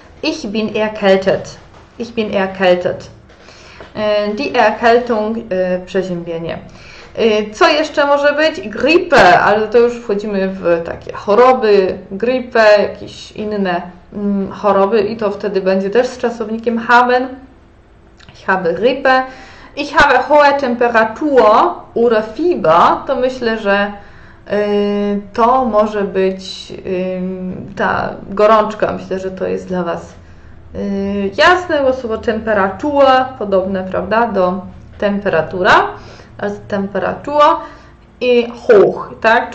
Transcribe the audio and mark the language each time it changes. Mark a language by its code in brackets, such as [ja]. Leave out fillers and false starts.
[de] Ich bin erkältet. Ich bin erkältet. Die Erkältung, przeziębienie. [pl] Co jeszcze może być? Grippe, ale to już wchodzimy w takie choroby, grippe, jakieś inne choroby i to wtedy będzie też z czasownikiem haben. [de] Ich habe Grippe. Ich habe hohe Temperatur oder Fieber. [pl] To myślę, że to może być ta gorączka. Myślę, że to jest dla Was jasne, bo słowo Temperatur podobne, prawda, do temperatura. [de] Als Temperatur i hoch, tak?